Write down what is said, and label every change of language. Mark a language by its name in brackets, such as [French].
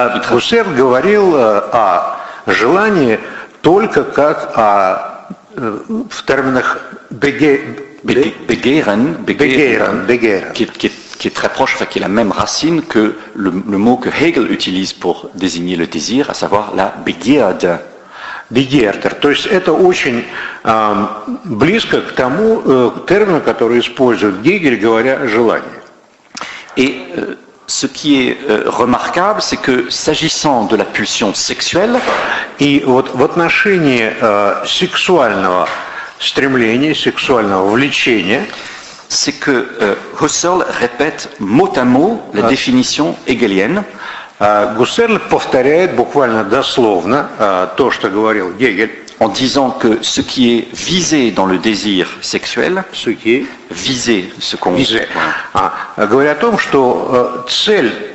[Russian] Husserl говорил о желании только как о в терминах [French] begehren, qui est très proche, enfin, qui est la même racine que le mot que Hegel utilise pour désigner le désir, à savoir la begierde. [Russian] Бегердер. То есть это очень близко к тому термину, который использует Гегель, говоря о желании. [French] Et ce qui est remarquable, c'est que s'agissant de la pulsion sexuelle, [Russian] и вот в отношении сексуального стремления, сексуального влечения, [French] c'est que Husserl répète mot à mot la définition hegelienne. [Russian] Husserl повторяет буквально дословно то, что говорил Гегель, [French] en disant que ce qui est visé dans le désir sexuel, ce qui est visé, ce qu'on visé, [Russian] говоря о том, что цель